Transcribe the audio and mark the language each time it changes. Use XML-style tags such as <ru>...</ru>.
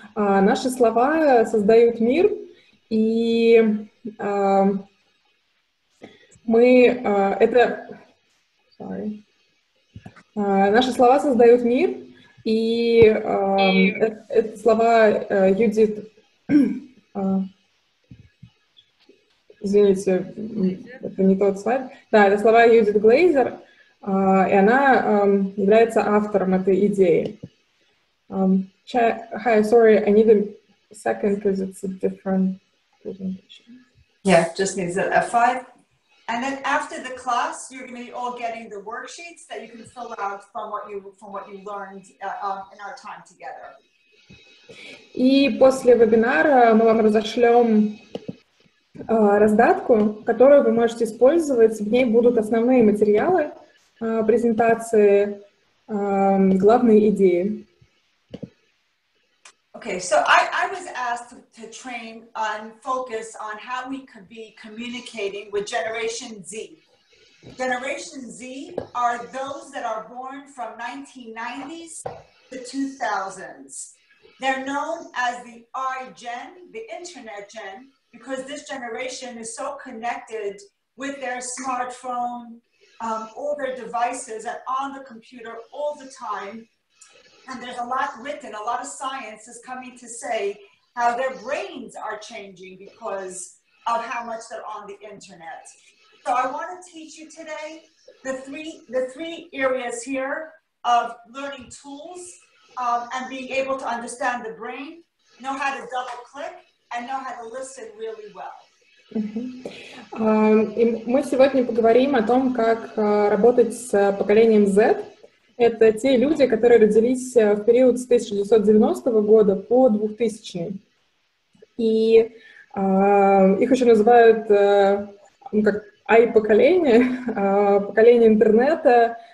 <ru>Наши слова создают мир, и наши слова создают мир, и это слова Юдит. Извините, это не тот слайд. Да, это слова Юдит Глейзер, и она является автором этой идеи.</ru> <en>Hi, sorry, I need a second because it's a different presentation. Yeah, just needs an F5. And then after the class, you're going to be all getting the worksheets that you can fill out from what you learned in our time together.</en> <ru>И после вебинара мы вам разошлем раздатку, которую вы можете использовать. В ней будут основные материалы, презентации главные идеи.</ru> <en>Okay, so I was asked to train on focus on how we could be communicating with Generation Z. Generation Z are those that are born from 1990s to 2000s. They're known as the iGen, the Internet Gen, because this generation is so connected with their smartphone, all their devices, and on the computer all the time. And there's a lot written, a lot of science is coming to say how their brains are changing because of how much they're on the internet. So I want to teach you today the three areas here of learning tools and being able to understand the brain, know how to double click, and know how to listen really well.</en> <ru>И мы сегодня поговорим о том, как работать с поколением Z. Это те люди, которые родились в период с 1990 года по 2000. И их еще называют как I-поколение, поколение интернета.</ru>